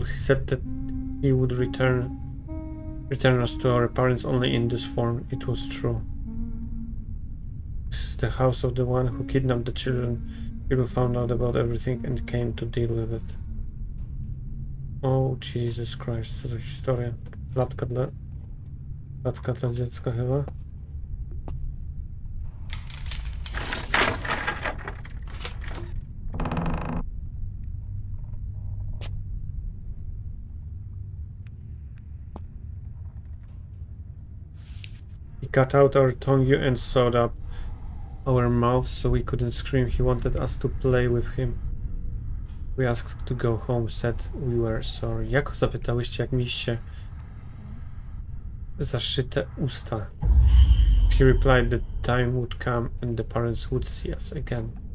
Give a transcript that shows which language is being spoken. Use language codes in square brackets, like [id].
[en] He said that he would return us to our parents only in this form. It was true. The house of the one who kidnapped the children. People found out about everything and came to deal with it. Oh Jesus Christ, [pl] co za historia. Klatka dla dziecka chyba. [en] He cut out our tongue and sewed up our mouths so we couldn't scream. He wanted us to play with him. We asked to go home, said we were sorry. [pl] Jak zapytałyście, jak mieliście zaszyte usta? [en] He replied that time would come and the parents would see us again.